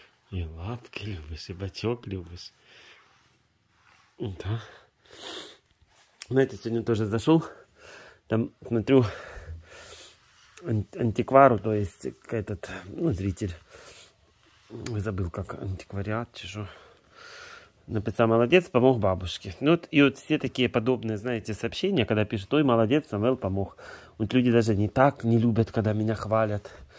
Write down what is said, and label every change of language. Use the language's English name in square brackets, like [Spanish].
[Ukrainian] І лапки любиш, і батьок любиш. Так. Знаєте, сьогодні теж зайшов. [Russian] Там, смотрю, антиквару, то есть этот, ну, зритель, забыл, как антиквариат, чи що, написав «Молодець, помог бабушке». [Ukrainian] Ну, от, і от всі такі подобні, знаєте, сообщення, коли пишуть «Ой, молодець, Самвел помог». От люди навіть не так не люблять, коли мене хвалять.